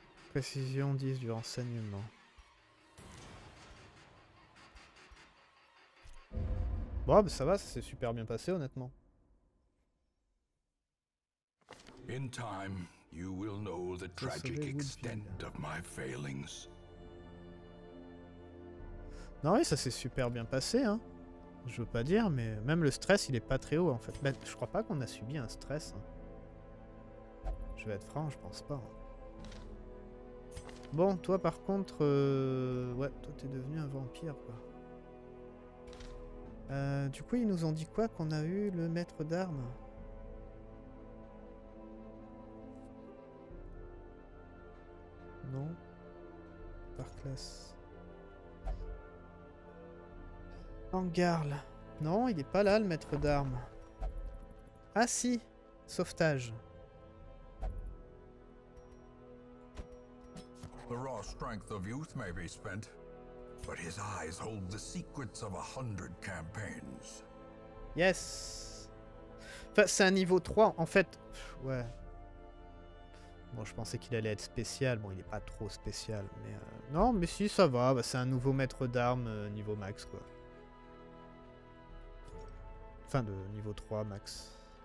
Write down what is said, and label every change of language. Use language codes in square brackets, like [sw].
[fr] Précision 10 du renseignement. Bon, bah ça va, ça s'est super bien passé, honnêtement. [en] In time, you will know the tragic extent of my failings. [fr] Non, oui, ça s'est super bien passé, hein. Je veux pas dire, mais même le stress, il est pas très haut, en fait. Ben, je crois pas qu'on a subi un stress. Hein. Je vais être franc, je pense pas. Bon, toi, par contre, ouais, toi, t'es devenu un vampire, quoi. Du coup, ils nous ont dit quoi, qu'on a eu le maître d'armes? Non, par classe. Angarl. Non, il est pas là, le maître d'armes. Ah si, sauvetage. [en] The raw strength of youth may be spent, but his eyes hold the secrets of 100 campaigns. Yes. [fr] Enfin, c'est un niveau 3, en fait. Pff, ouais. Bon, je pensais qu'il allait être spécial. Bon, il est pas trop spécial, mais... Non, mais si, ça va. Bah, c'est un nouveau maître d'armes niveau max, quoi. Enfin, de niveau 3 max.